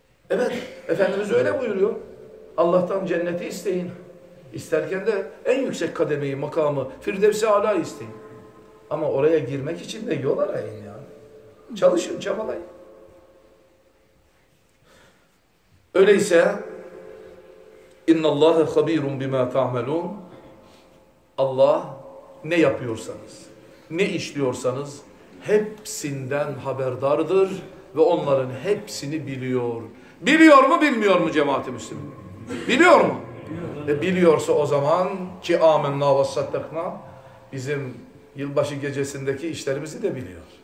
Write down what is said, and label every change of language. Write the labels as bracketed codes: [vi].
[tr] Evet, Efendimiz öyle buyuruyor. Allah'tan cenneti isteyin. İsterken de en yüksek kademeyi, makamı, Firdevs-i Ala isteyin. Ama oraya girmek için de yol arayın yani. Çalışın, çabalayın. Öyleyse [ar] اِنَّ اللّٰهَ خَب۪يرٌ بِمَا تَعْمَلُونَ. [tr] Allah ne yapıyorsanız, ne işliyorsanız hepsinden haberdardır ve onların hepsini biliyor. Biliyor mu, bilmiyor mu cemaat-i Müslüm? Biliyor mu? Ve biliyorsa o zaman ki âmennâ ve saddaknâ, bizim yılbaşı gecesindeki işlerimizi de biliyor.